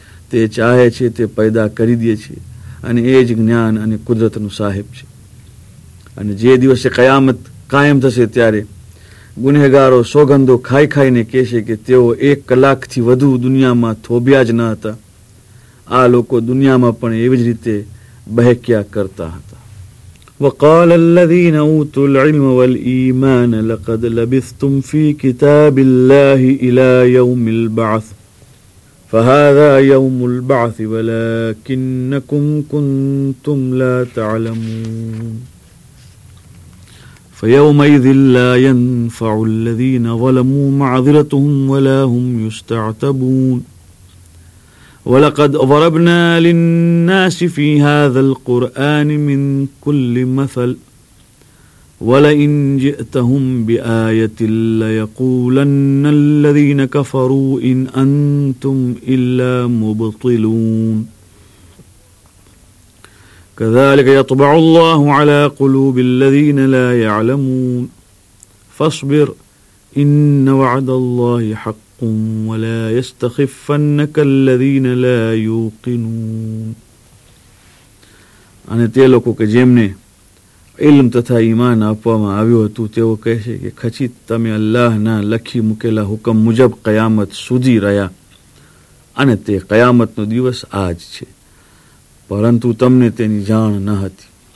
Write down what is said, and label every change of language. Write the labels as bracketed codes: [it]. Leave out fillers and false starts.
[gu] તે ચાહે છે તે પેદા કરી દે છે અને એ જ જ્ઞાન અને કુદરતનું સાહેબ છે. અને જે દિવસે કયામત કાયમ થશે ત્યારે ગુનેગારો સોગંદો ખાઈ ખાઈને કહેશે કે તેઓ એક કલાકથી વધુ દુનિયામાં થોભ્યા જ ન હતા. આ લોકો દુનિયામાં પણ એવી જ રીતે બહેક્યા કરતા હતા. [ar] وقال الذين أوتوا العلم والإيمان لقد لبثتم في كتاب الله إلى يوم البعث فهذا يوم البعث ولكنكم كنتم لا تعلمون فيومئذ لا ينفع الذين ظلموا معذرتهم ولا هم يستعتبون وَلَقَدْ ضَرَبْنَا لِلنَّاسِ فِي هَذَا الْقُرْآنِ مِنْ كُلِّ مَثَلٍ وَلَئِنْ جِئْتَهُمْ بِآيَةٍ لَيَقُولَنَّ الَّذِينَ كَفَرُوا إِنْ أَنْتُمْ إِلَّا مُبْطِلُونَ كَذَلِكَ يَطْبَعُ اللَّهُ عَلَى قُلُوبِ الَّذِينَ لَا يَعْلَمُونَ فَاصْبِرْ إِنَّ وَعْدَ اللَّهِ حَقٌّ وَلَا يَسْتَخِفَّنَّكَ الَّذِينَ لَا يُوقِنُونَ. [gu] અને તે લોકો કે જેમને ઇલ્મ તથા ઈમાન આપવામાં આવ્યું હતું તેઓ કહે છે કે ખચિત તમે અલ્લાહના લખી મૂકેલા હુકમ મુજબ કયામત સુધી રહ્યા અને તે કયામતનો દિવસ આજ છે, પરંતુ તમને તેની જાણ ન હતી.